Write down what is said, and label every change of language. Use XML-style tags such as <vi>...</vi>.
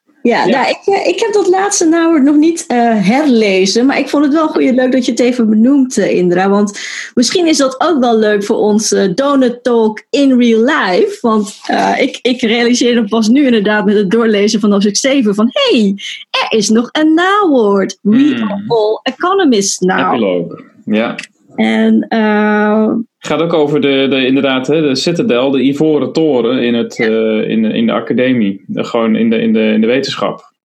<nl>Ik heb dat laatste nou nog niet herlezen. Maar ik vond het wel leuk dat je het even benoemt, Indra. Want misschien is dat ook wel leuk voor onze donut talk</nl> <en>in real life.</en> <nl>Want ik realiseerde pas nu inderdaad met het doorlezen van hoofdstuk 7 van, hey, er is nog een nawoord.</nl> <en>We are all economists now.</en> <nl>Epilogue, ja. En het gaat ook over de citadel, de ivoren toren in het in de academie. Gewoon in de wetenschap.</nl>